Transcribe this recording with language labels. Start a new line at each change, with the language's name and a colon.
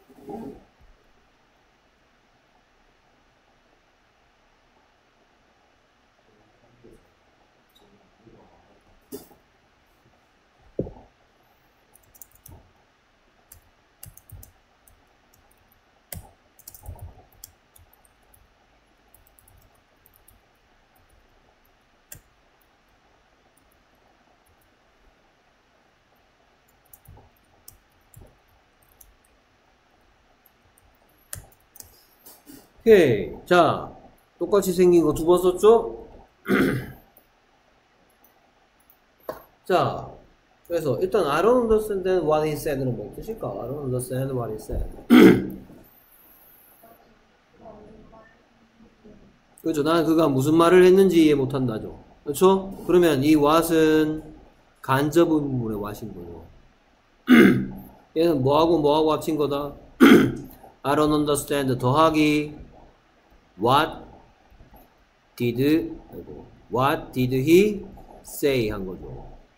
Korean: 오케이. 자, 똑같이 생긴 거두번 썼죠? 자, 그래서 일단
English: I don't understand what he said
Korean: 는 뭐 뜻일까?
English: I don't understand what he said.
Korean: 그렇죠. 나는 그가 무슨 말을 했는지 이해 못한다죠. 그렇죠? 그러면 이 what은 간접 의문문의 what인 거죠. 얘는 뭐하고 합친 거다?
English: I don't understand.
Korean: 더하기
English: what did, what did he say
Korean: 한 거죠.